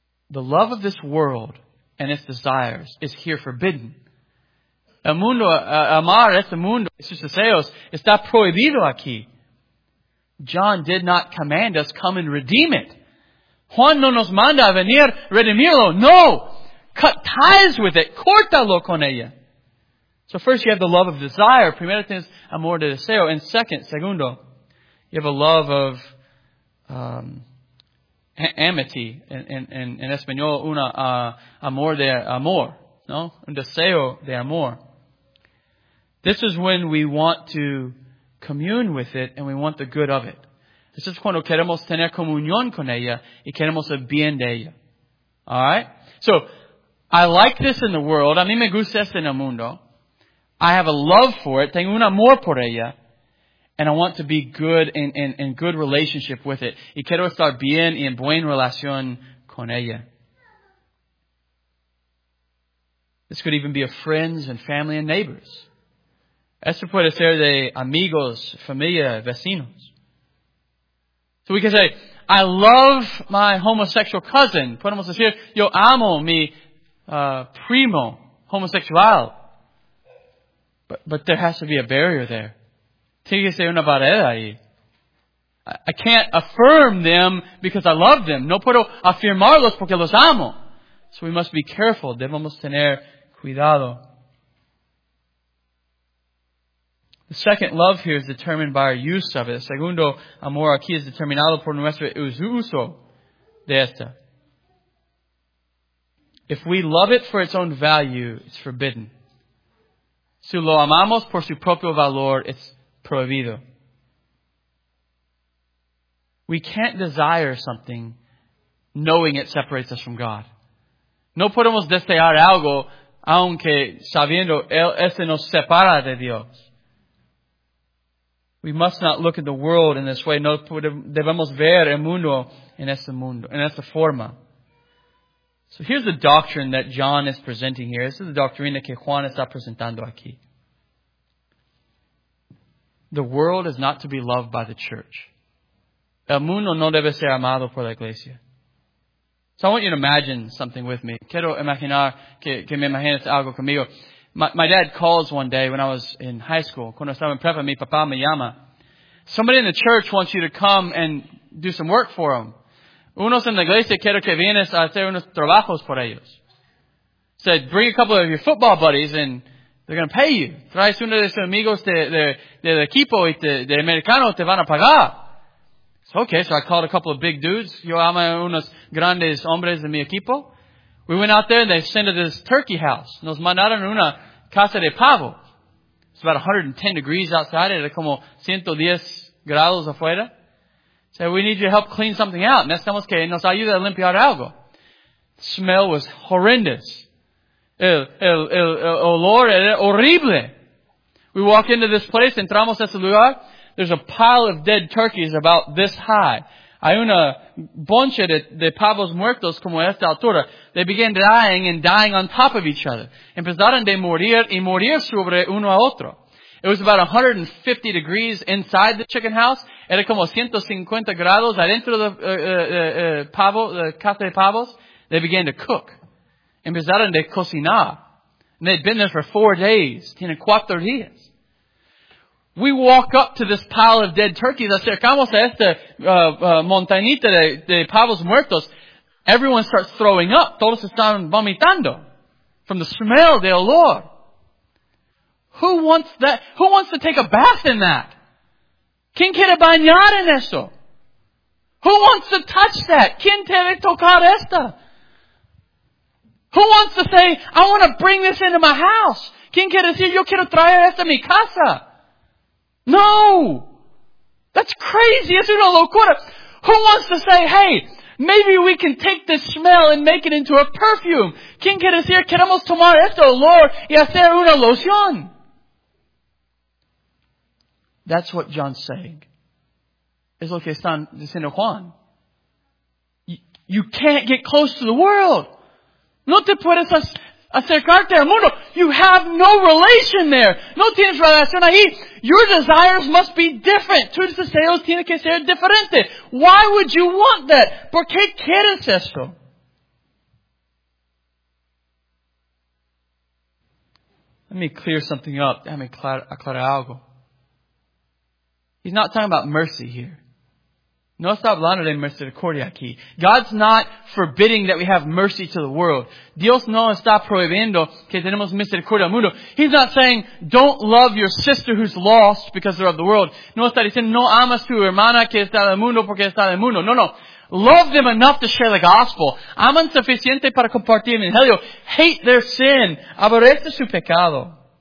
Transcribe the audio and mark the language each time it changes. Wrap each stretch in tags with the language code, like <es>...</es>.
<en>The love of this world and its desires is here forbidden.</en> <es>El mundo, amar este mundo y sus deseos está prohibido aquí.</es> <en>John did not command us come and redeem it.</en> <es>Juan no nos manda a venir redimirlo. No!</es> <en>Cut ties with it.</en> <es>Córtalo con ella.</es> <en>So first you have the love of desire.</en> <es>Primero tienes amor de deseo.</es> <en>And segundo, you have a love of amity.</en> <es>En español, amor de amor. No? Un deseo de amor.</es> <en>This is when we want to commune with it and we want the good of it. This is</en> <es>cuando queremos tener comunión con ella y queremos el bien de ella.</es> <en>Alright? So, I like this in the world.</en> <es>A mí me gusta esto en el mundo.</es> <en>I have a love for it.</en> <es>Tengo un amor por ella.</es> <en>And I want to be good in good relationship with it.</en> <es>Y quiero estar bien y en buena relación con ella.</es> <en>This could even be of friends and family and neighbors.</en> <es>Esto puede ser de amigos, familia, vecinos.</es> <en>So we can say, I love my homosexual cousin.</en> <es>Podemos decir, yo amo mi primo, homosexual.</es> <en>But there has to be a barrier there.</en> <es>Tiene que ser una barrera ahí.</es> <en>I can't affirm them because I love them.</en> <es>No puedo afirmarlos porque los amo.</es> <en>So we must be careful.</en> <es>Debemos tener cuidado.</es> <en>The second love here is determined by our use of it.</en> <es>El segundo amor aquí es determinado por nuestro uso de esta.</es> <en>If we love it for its own value, it's forbidden.</en> <es>Si lo amamos por su propio valor,</es> <en>it's prohibido. We can't desire something knowing it separates us from God.</en> <es>No podemos desear algo aunque sabiendo ese nos separa de Dios.</es> <en>We must not look at the world in this way.</en> <es>No debemos ver el mundo, en esta forma.</es> <en>So here's the doctrine that John is presenting here. This is the</en> <es>doctrina que Juan está presentando aquí.</es> <en>The world is not to be loved by the church.</en> <es>El mundo no debe ser amado por la iglesia.</es> <en>So I want you to imagine something with me.</en> <es>Quiero imaginar que me imagines algo conmigo.</es> <en>My dad calls one day when I was in high school.</en> <es>Cuando estaba en prepa, mi papá me llama.</es> <en>Somebody in the church wants you to come and do some work for them.</en> <es>Unos en la iglesia quiero que vienes a hacer unos trabajos por ellos.</es> <en>said, bring a couple of your football buddies and they're going to pay you.</en> <es>Traes uno de sus amigos del equipo y de americano, te van a pagar.</es> <en>So, okay, so I called a couple of big dudes.</en> <es>Yo amo unos grandes hombres de mi equipo.</es> <en>We went out there and they sent us this turkey house.</en> <es>Nos mandaron una casa de pavo.</es> <en>It's about 110 degrees outside.</en> <es>Era como 110 grados afuera.</es> <en>So we need you to help clean something out.</en> <es>Necesitamos que nos ayude a limpiar algo.</es> <en>Smell was horrendous.</en> <es>El olor era horrible.</es> <en>We walk into this place,</en> <es>entramos a ese lugar.</es> <en>There's a pile of dead turkeys about this high.</en> <es>Hay una bonche de pavos muertos como esta altura.</es> <en>They began dying and dying on top of each other.</en> <es>Empezaron de morir y morir sobre uno a otro.</es> <en>It was about 150 degrees inside the chicken house.</en> <es>Era como 150 grados adentro de pavo, de casa de pavos.</es> <en>They began to cook.</en> <es>Empezaron de cocinar.</es> <en>And they'd been there for 4 days.</en> <es>Tienen 4 días.</es> <en>We walk up to this pile of dead turkeys.</en> <es>Acercamos a esta montañita de pavos muertos.</es> <en>Everyone starts throwing up.</en> <es>Todos están vomitando</es> <en>from the smell, the olor. Who wants that? Who wants to take a bath in that?</en> <es>¿Quién quiere bañar en eso?</es> <en>Who wants to touch that?</en> <es>¿Quién quiere tocar esta?</es> <en>Who wants to say, I want to bring this into my house?</en> <es>¿Quién quiere decir, yo quiero traer esta a mi casa?</es> <en>No! That's crazy!</en> <es>Es una locura!</es> <en>Who wants to say, hey, maybe we can take this smell and make it into a perfume?</en> <es>¿Quién quiere decir, queremos tomar este olor y hacer una loción?</es> <en>That's what John's saying.</en> <es>Es lo que está diciendo Juan.</es> <en>You can't get close to the world.</en> <es>No te puedes acercarte al mundo.</es> <en>You have no relation there.</en> <es>No tienes relación ahí.</es> <en>Your desires must be different.</en> <es>Tus deseos tienen que ser diferentes.</es> <en>Why would you want that?</en> <es>¿Por qué quieres esto?</es> <en>Let me clear something up.</en> <es>Déjame aclarar algo.</es> <en>He's not talking about mercy here.</en> <es>No está hablando de misericordia aquí.</es> <en>God's not forbidding that we have mercy to the world.</en> <es>Dios no está prohibiendo que tenemos misericordia al mundo.</es> <en>He's not saying, don't love your sister who's lost because they're of the world.</en> <es>No está diciendo, no amas tu hermana que está del mundo porque está del mundo. No, no.</es> <en>Love them enough to share the gospel.</en> <es>Aman suficiente para compartir el evangelio.</es> <en>Hate their sin.</en> <es>Aborrece su pecado.</es>